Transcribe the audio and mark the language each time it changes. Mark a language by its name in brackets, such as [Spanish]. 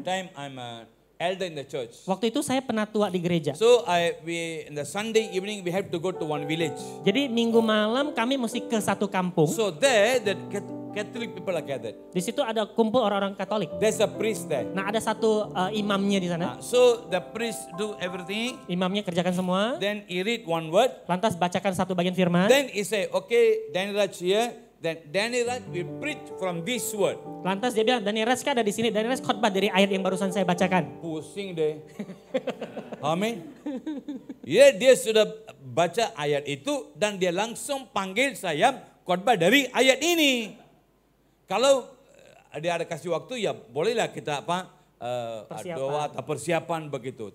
[English] The time I'm a elder in the church. [Indonesian] Waktu itu saya penatua di gereja. [English] So in the Sunday evening we have to go to one village. [Indonesian] Jadi minggu malam kami mesti ke satu kampung. [English] So there the Catholic people are gathered. [Indonesian] Di situ ada kumpul orang-orang Katolik. [English] There's a priest there. [Indonesian] Nah ada satu imamnya di sana. [English] So the priest do everything. [Indonesian] Imamnya kerjakan semua. [English] Then he read one word. [Indonesian] Lantas bacakan satu bagian firman. [English] Then he say, okay, Daniel Raj here. Then Daniel Raj will preach from this word. [Indonesian] Lantas dia bilang, Daniel Raj kan ada di sini. Daniel Raj khotbah dari ayat yang barusan saya bacakan. Pusing deh. Amin. Ya, dia sudah baca ayat itu dan dia langsung panggil saya khotbah dari ayat ini. Kalau dia ada kasih waktu, ya bolehlah kita apa doa atau persiapan begitu.